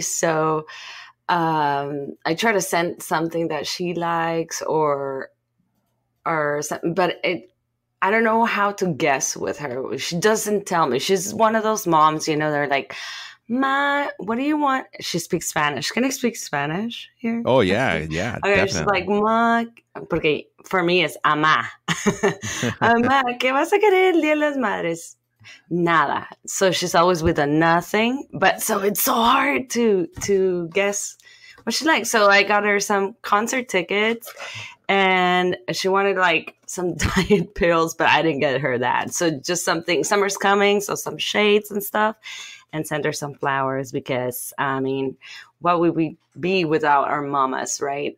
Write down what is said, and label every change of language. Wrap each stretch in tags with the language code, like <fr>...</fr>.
<en>So I try to send something that she likes or something, but I don't know how to guess with her. She doesn't tell me. She's one of those moms, you know, they're like, what do you want? She speaks Spanish. Can I speak Spanish here? Oh, yeah, yeah. Okay, definitely. She's like, ma, porque for me it's ama.</en> <es>Ama, ¿qué vas a querer el día de las madres? Nada.</es> <en>So she's always with a nothing, but so it's so hard to guess what she likes. So I got her some concert tickets, and she wanted like some diet pills, but I didn't get her that. So just something, summer's coming, so some shades and stuff. And send her some flowers because, I mean, what would we be without our mamas, right?</en>